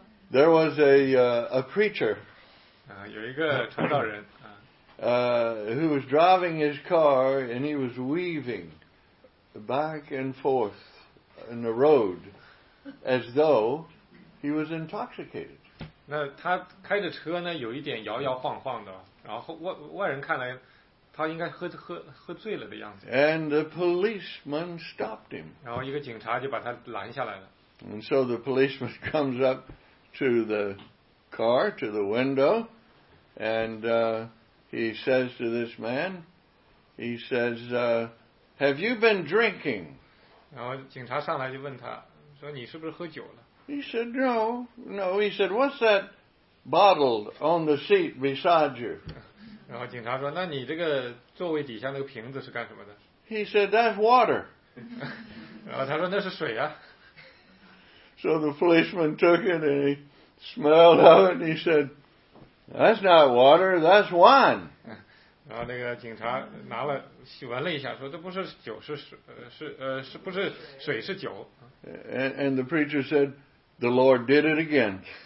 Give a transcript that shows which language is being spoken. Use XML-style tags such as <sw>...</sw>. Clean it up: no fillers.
<en>There was a preacher who was driving his car and he was weaving back and forth in the road as though he was intoxicated.</en> <zh>那他开着车呢，有一点摇摇晃晃的，然后外人看来他应该喝醉了的样子。</zh> <en>And the policeman stopped him.</en> <zh>然后一个警察就把他拦下来了。</zh> <en>And so the policeman comes up to the car, to the window, and he says to this man, he says, "Have you been drinking?"</en> <zh>然后警察上来就问他，说你是不是喝酒了？</zh> <en>He said, "No." He said, "What's that bottle on the seat beside you?"</en> <zh>然后警察说，那你这个座位底下那个瓶子是干什么的？</zh> <en>He said, "That's water."</en> <zh>然后他说那是水啊。</zh> <en>So the policeman took it and he smelled of it and he said, "That's not water, that's wine."</en> <zh>然后那个警察拿了闻了一下，说这不是酒，是不是水，是酒。</zh> <en>And the preacher said, "The Lord did it again."</en>